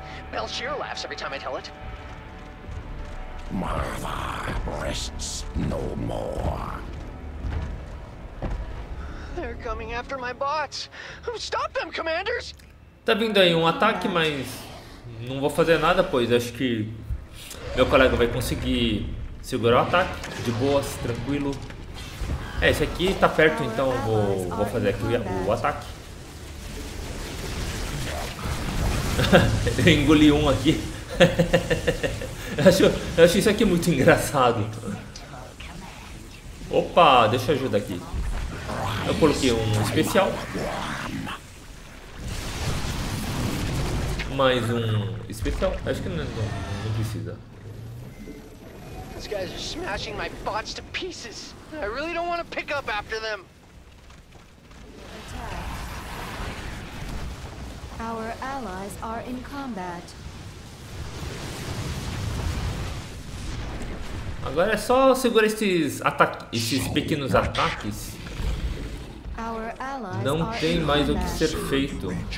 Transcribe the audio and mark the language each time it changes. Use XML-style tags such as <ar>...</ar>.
<en>Belshir laughs every time I tell it. Marva rests no more. They're coming after my bots. Stop them, commanders!</en> <pt>Tá vindo aí um ataque, mas não vou fazer nada, pois acho que meu colega vai conseguir segurar o ataque de boas, tranquilo. É, esse aqui tá perto, então vou fazer aqui o ataque. Engoli um aqui. Eu acho isso aqui muito engraçado. Opa, deixa eu ajudar aqui. Eu coloquei um especial. Mais um especial. Acho que não precisa.</pt> <en>These guys are smashing my bots to pieces. I really don't want to pick up after them. Our allies are in combat.</en> <pt>Agora é só segurar esses pequenos ataques. Não tem mais o que ser feito.</pt>